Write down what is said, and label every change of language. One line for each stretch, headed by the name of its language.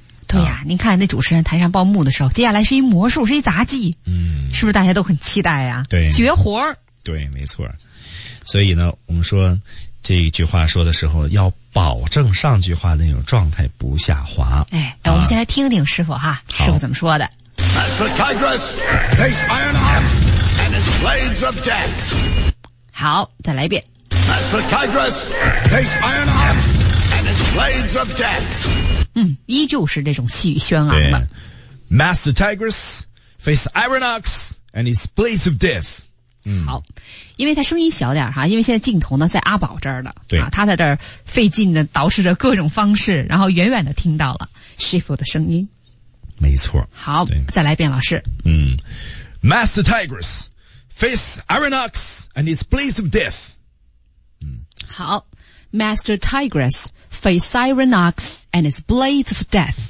Chinese: 对呀、啊啊，您看那主持人台上报幕的时候，接下来是一魔术，是一杂技，嗯，是不是大家都很期待啊？对，绝活。对，没错。所以呢，我们说这一句话说的时候要保证上句话那种状态不下滑。哎，我们先来听听师傅哈、啊、师傅怎么说的。
English: Master Tigress, face Iron Ox and his blades of death.
Chinese: 好，再来一遍。
English: Master Tigress, face Iron Ox and his blades of death.
Chinese: 嗯，依旧是这种气宇轩昂的。
English: Master Tigress, face Iron Ox and his blades of death.
Chinese: 嗯、好，因为他声音小点哈，因为现在镜头呢在阿宝这儿呢，对、啊、他在这儿费劲的捯饬着各种方式，然后远远的听到了师傅的声音。没错。好，再来一遍老师。嗯。
English: Master Tigress, face Iron Ox and his blaze of death.
Chinese: 嗯。好。
English: Master Tigress, face Iron Ox and his blaze of death.